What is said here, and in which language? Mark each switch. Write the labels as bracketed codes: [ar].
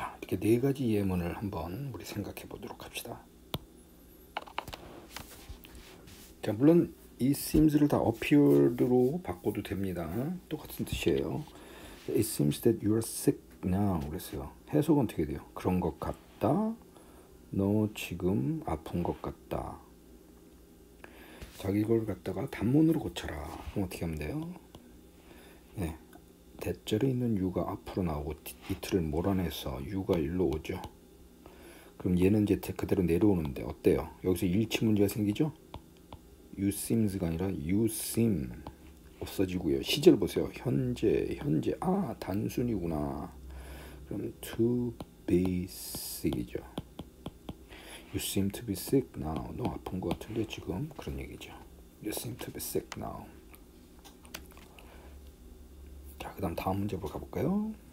[ko] 이렇게 네 가지 예문을 한번 우리 생각해 보도록 합시다. 자, 물론 이 seems를 다 appeared로 바꿔도 됩니다. 똑같은 뜻이에요. [en] It seems that you are sick now. [ko] 그랬어요. 해석은 어떻게 돼요? 그런 것 같다. 너 지금 아픈 것 같다. 자기 걸 갖다가 단문으로 고쳐라. 그럼 어떻게 하면 돼요? 네. 대절에 있는 유가 앞으로 나오고 이틀을 몰아내서 유가 일로 오죠. 그럼 얘는 이제 그대로 내려오는데 어때요? 여기서 일치 문제가 생기죠? You seems가 아니라 you seem 없어지고요. 시제를 보세요. 현재, 현재. 아, 단순이구나. 그럼 to be sick이죠. [en] You seem to be sick now. [ko] 너 아픈 것 같은데 지금 그런 얘기죠. [en] You seem to be sick now. [ko] 자, 그다음 다음 문제 볼까 볼까요?